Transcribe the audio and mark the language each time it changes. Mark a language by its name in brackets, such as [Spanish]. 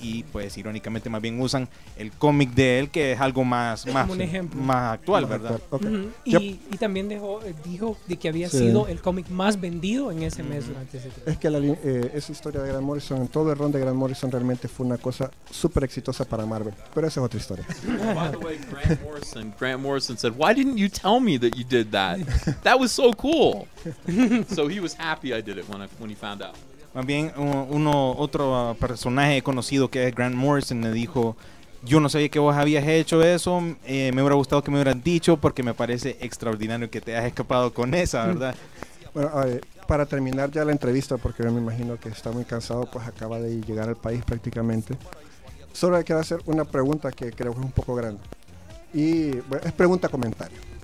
[Spanish] Y pues irónicamente más bien usan el cómic de él, que es algo más actual, ¿verdad? Okay. Mm-hmm. Yep. Y también dijo de que había sido el cómic más vendido en ese mes. Es que esa historia de Grant Morrison, en todo el run de Grant Morrison, realmente fue una cosa súper exitosa para Marvel. Pero esa es otra historia. [English] By the way, Grant Morrison said, why didn't you tell me that you did that? That was so cool. So he was happy I did it when he found out. [Spanish] Más bien, otro personaje conocido que es Grant Morrison me dijo, yo no sabía que vos habías hecho eso, me hubiera gustado que me hubieran dicho, porque me parece extraordinario que te hayas escapado con esa, ¿verdad? Bueno, a ver, para terminar ya la entrevista, porque yo me imagino que está muy cansado, pues acaba de llegar al país prácticamente, solo le quiero hacer una pregunta que creo que es un poco grande, y bueno, es pregunta-comentario.